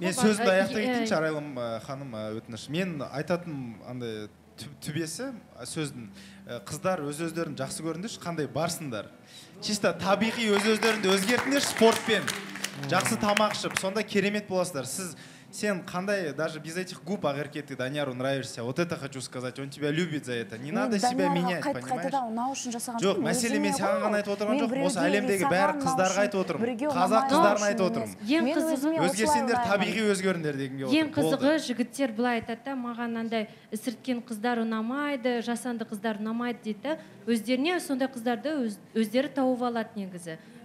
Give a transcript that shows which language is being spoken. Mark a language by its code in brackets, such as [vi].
[kk] Мен сөзімді аяқтай кетейінші, Арайлым ханым, өтініш. Мен айтатын андай түбесі сөздің, қыздар өз-өздерін жақсы көріндерші, қандай барсыңдар. Чисто табиғи өз-өздеріңді өзгертіңдерші спортпен. Жақсы тамақ ішіп, сонда керемет боласыздар. Сен қандай, [ru] даже без этих губ ағыркеті, Даниару нравишься, вот это хочу сказать, он тебя любит за это, не надо себя менять, понимаешь? [kk] Мен Даниаруға қайтадан ұнау үшін жасаған. Жоқ, мәселе мен саған ғана айтып отырған жоқ, осы әлемдегі бәрі қыздарға айтып отырмын, қазақ қыздарына айтып отырмын. Өзгерсеңдер, табиғи өзгеріңдер дегенге отырмын. Ең қызығы, жігіттер былай айтады да, маған андай ісірткен қыздар ұнамайды, жасанды қыздар ұнамайды дейді, өздеріне сондай қыздарды өздері тауып алады негізі.